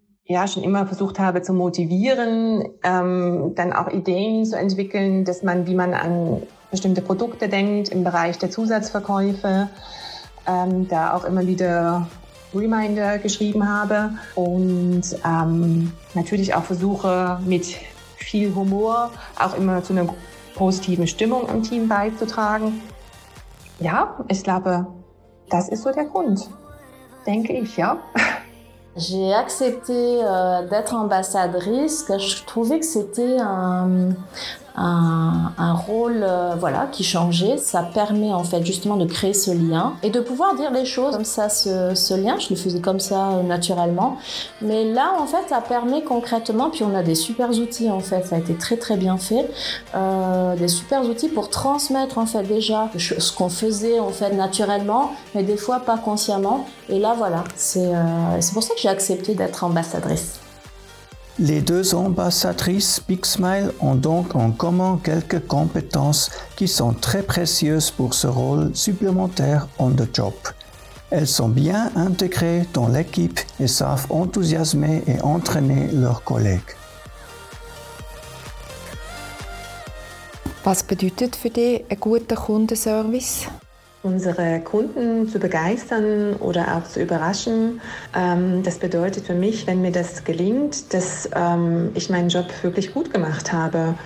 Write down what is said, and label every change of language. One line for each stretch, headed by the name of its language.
German: ja schon immer versucht habe zu motivieren, dann auch Ideen zu entwickeln, dass man, wie man an bestimmte Produkte denkt im Bereich der Zusatzverkäufe, da auch immer wieder Reminder geschrieben habe und natürlich auch versuche, mit viel Humor auch immer zu einer positiven Stimmung im Team beizutragen. Ja, ich glaube, das ist so der Grund, denke ich, ja.
French: J'ai accepté d'être ambassadrice, car je trouvais que c'était un rôle voilà, qui changeait. Ça permet en fait justement de créer ce lien et de pouvoir dire les choses comme ça, ce lien. Je le faisais comme ça naturellement. Mais là, en fait, ça permet concrètement, puis on a des super outils en fait, ça a été très très bien fait, des super outils pour transmettre en fait déjà ce qu'on faisait en fait naturellement, mais des fois pas consciemment. Et là, voilà, c'est pour ça que j'ai accepté d'être ambassadrice. Les deux ambassadrices bigsmile ont donc en commun quelques compétences qui sont très précieuses pour ce rôle supplémentaire
English: on the job.
French: Elles sont bien intégrées dans l'équipe et savent enthousiasmer et entraîner leurs collègues.
German: Was bedeutet für dich ein guter Kundenservice? Unsere Kunden zu begeistern oder auch zu überraschen, das bedeutet für mich, wenn mir das gelingt, dass ich meinen Job wirklich gut gemacht habe.